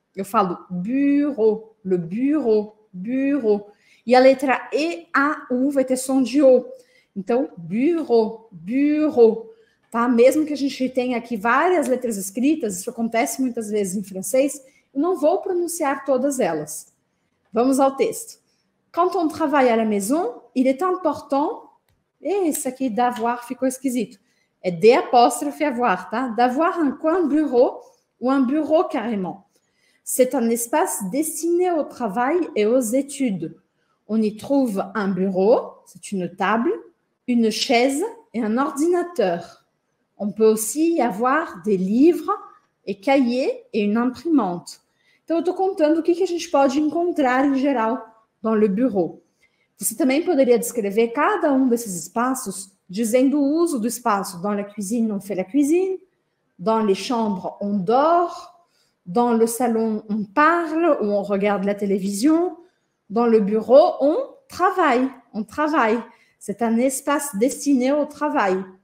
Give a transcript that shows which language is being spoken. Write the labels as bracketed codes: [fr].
[pt] Eu falo bureau, le bureau, bureau. E a letra E, A, U vai ter som de O. Então, bureau, bureau. Tá? Mesmo que a gente tenha aqui várias letras escritas, isso acontece muitas vezes em francês, eu não vou pronunciar todas elas. Vamos ao texto. [fr] Quand on travaille à la maison, il est important... [pt] Esse aqui, d'avoir, ficou esquisito. É de apóstrofe avoir, tá? [fr] D'avoir un coin bureau ou un bureau carrément. C'est un espace destiné au travail et aux études. On y trouve un bureau, c'est une table, une chaise et un ordinateur. On peut aussi y avoir des livres et cahiers et une imprimante. [pt] Então, eu estou contando o que a gente pode encontrar em geral [fr] dans le bureau. [pt] Você também poderia descrever cada um desses espaços dizendo o uso do espaço. [fr] Dans la cuisine, on fait la cuisine. Dans les chambres, on dort. Dans le salon, on parle ou on regarde la télévision. Dans le bureau, on travaille. On travaille. C'est un espace destiné au travail.